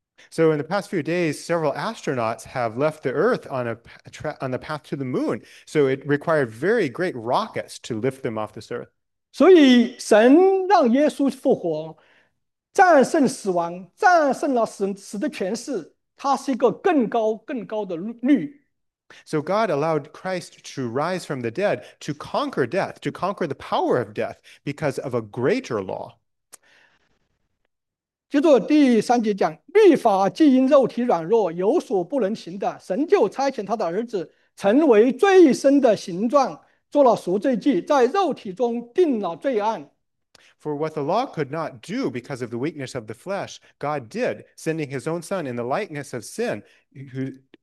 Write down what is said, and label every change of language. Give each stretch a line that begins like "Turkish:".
English: So, in the past few days, several astronauts have left the Earth on the path to the moon. So, it required very great rockets to lift them off this Earth.
Chinese: 所以，神让耶稣复活，战胜死亡，战胜了死的权势。它是一个更高的律。
English: So, God allowed Christ to rise from the dead to conquer death, to conquer the power of death because of a greater law.
Chinese: 接着第3节讲，律法既因肉体软弱有所不能行的，神就差遣他的儿子成为最深的形状。做了赎罪祭，在肉体中定了罪案。
English: For what the law could not do because of the weakness of the flesh, God did, sending his own son in the likeness of sin, who,